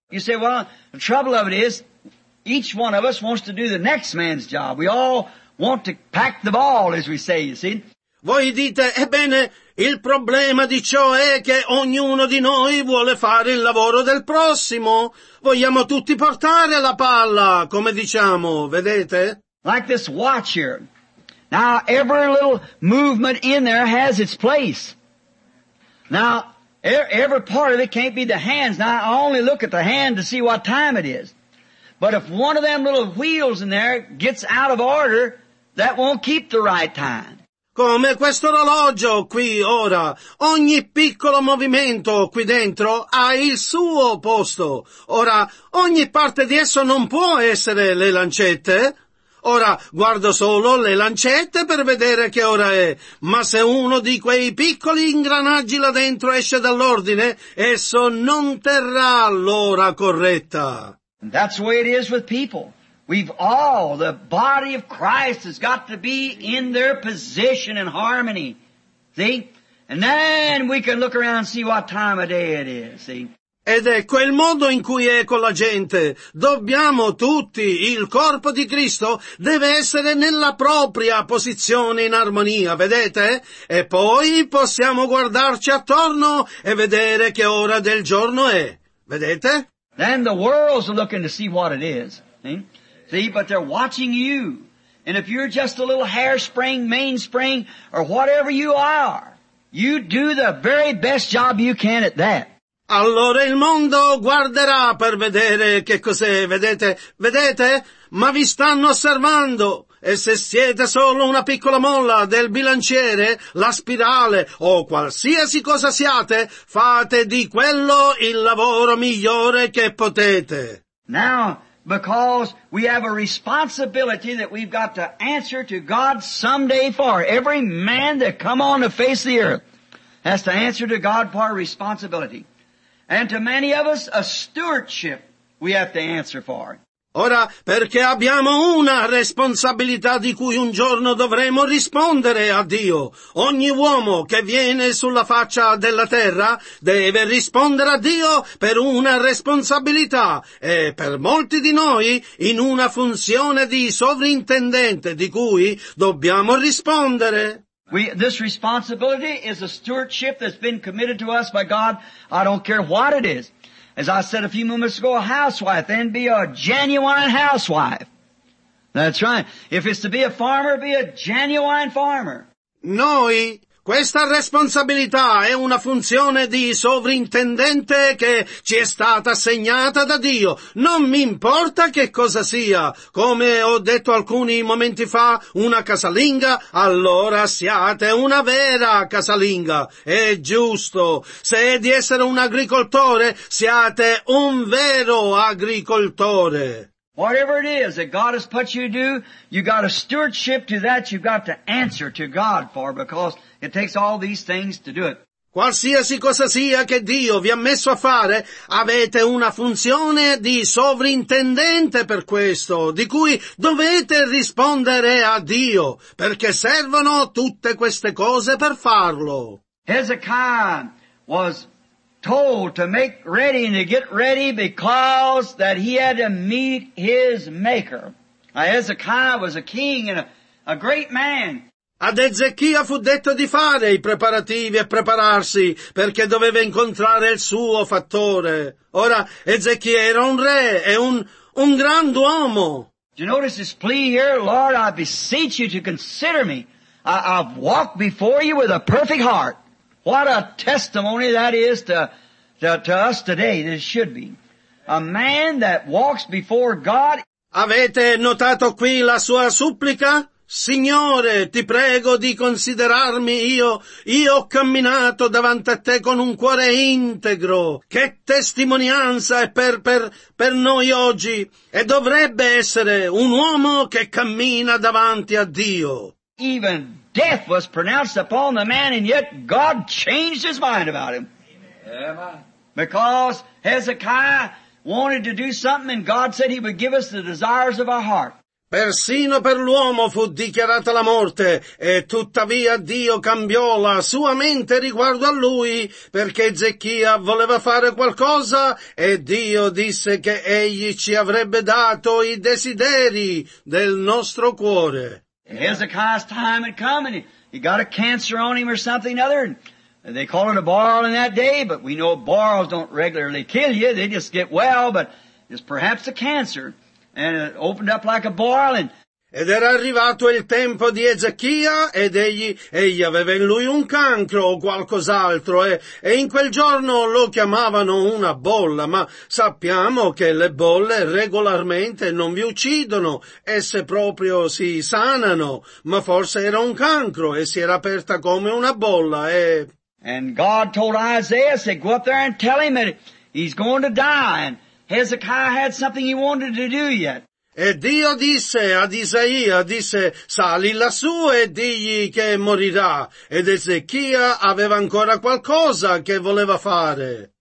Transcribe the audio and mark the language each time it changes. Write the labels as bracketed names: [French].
[English] You say, well, the trouble of it is, each one of us wants to do the next man's job. We all want to pack the ball, as we say, you see. [Italian] Voi dite, ebbene, il problema di ciò è che ognuno di noi vuole fare il lavoro del prossimo. Vogliamo tutti portare la palla, come diciamo, vedete? [English] Like this watch here. Now, every little movement in there has its place. Now, every part of it can't be the hands. Now, I only look at the hand to see what time it is. But if one of them little wheels in there gets out of order, that won't keep the right time. [Italian] Come questo orologio qui ora, ogni piccolo movimento qui dentro ha il suo posto. Ora, ogni parte di esso non può essere le lancette. Ora, guardo solo le lancette per vedere che ora è. Ma se uno di quei piccoli ingranaggi là dentro esce dall'ordine, esso non terrà l'ora corretta. [English] That's the way it is with people. We've all, the body of Christ has got to be in their position and harmony. See? And then we can look around and see what time of day it is. See? [Italian] Ed è quel modo in cui è con la gente. Dobbiamo tutti, il corpo di Cristo deve essere nella propria posizione in armonia, vedete? E poi possiamo guardarci attorno e vedere che ora del giorno è. Vedete? [English] Then the world's looking to see what it is. See? See, but they're watching you. And if you're just a little hairspring, mainspring, or whatever you are, you do the very best job you can at that. [Italian] Allora il mondo guarderà per vedere che cos'è, vedete, vedete? Ma vi stanno osservando. E se siete solo una piccola molla del bilanciere, la spirale, o qualsiasi cosa siate, fate di quello il lavoro migliore che potete. [English] Now, because we have a responsibility that we've got to answer to God someday for. Every man that come on the face of the earth has to answer to God for our responsibility. And to many of us, a stewardship we have to answer for. [Italian] Ora, perché abbiamo una responsabilità di cui un giorno dovremo rispondere a Dio. Ogni uomo che viene sulla faccia della terra deve rispondere a Dio per una responsabilità e per molti di noi in una funzione di sovrintendente di cui dobbiamo rispondere. [English] This responsibility is a stewardship that's been committed to us by God. I don't care what it is. As I said a few moments ago, a housewife, then be a genuine housewife. That's right. If it's to be a farmer, be a genuine farmer. [Italian] Noi, questa responsabilità è una funzione di sovrintendente che ci è stata assegnata da Dio. Non mi importa che cosa sia. Come ho detto alcuni momenti fa, una casalinga, allora siate una vera casalinga. È giusto. Se è di essere un agricoltore, siate un vero agricoltore. [English] Whatever it is that God has put you to do, you got a stewardship to that you've got to answer to God for, because it takes all these things to do it. [Italian] Qualsiasi cosa sia che Dio vi ha messo a fare, avete una funzione di sovrintendente per questo, di cui dovete rispondere a Dio, perché servono tutte queste cose per farlo. [English] Hezekiah was told to make ready and to get ready because that he had to meet his maker. Now, Hezekiah was a king and a great man. [Italian] Ad Ezechia fu detto di fare i preparativi e prepararsi perché doveva incontrare il suo fattore. Ora, Ezechia era un re e un grand'uomo. [English] Do you notice his plea here? Lord, I beseech you to consider me. I've walked before you with a perfect heart. What a testimony that is to us today, that it should be. A man that walks before God. [Italian] Avete notato qui la sua supplica? Signore, ti prego di considerarmi io ho camminato davanti a te con un cuore integro. Che testimonianza è per noi oggi, e dovrebbe essere un uomo che cammina davanti a Dio. [English] Even death was pronounced upon the man, and yet God changed his mind about him. Amen. Because Hezekiah wanted to do something, and God said he would give us the desires of our heart. [Italian] Persino per l'uomo fu dichiarata la morte, e tuttavia Dio cambiò la sua mente riguardo a lui, perché Ezechia voleva fare qualcosa, e Dio disse che egli ci avrebbe dato i desideri del nostro cuore. [English] Hezekiah's time had come, and he got a cancer on him or something other, and they call it a boil in that day, but we know boils don't regularly kill you, they just get well, but it's perhaps a cancer. And it opened up like a boiling. [Italian] Ed era arrivato il tempo di Ezechia, ed egli aveva in lui un cancro o qualcos'altro, e in quel giorno lo chiamavano una bolla, ma sappiamo che le bolle regolarmente non vi uccidono, esse proprio si sanano, ma forse era un cancro e si era aperta come una bolla, e... [English] And God told Isaiah, said, go up there and tell him that he's going to die, and Hezekiah had something he wanted to do yet. [Italian] E Dio disse ad Isaia, disse, sali lassù e digli che morirà. Ed Ezechia aveva ancora qualcosa che voleva fare.